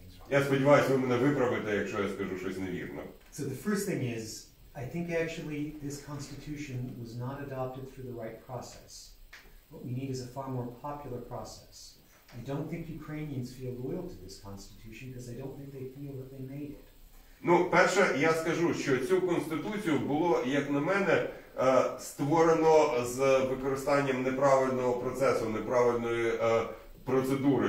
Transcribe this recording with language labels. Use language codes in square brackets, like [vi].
[uk] Я сподіваюся, ви мене виправите, якщо я скажу щось невірно. [en] So the first thing is, I think actually this constitution was not adopted through the right process. What we need is a far more popular process. I don't think Ukrainians feel loyal to this constitution because I don't think they feel that they made it. [uk] Ну, перше, я скажу, що цю конституцію було, як на мене, створено з використанням неправильного процесу, неправильної процедури.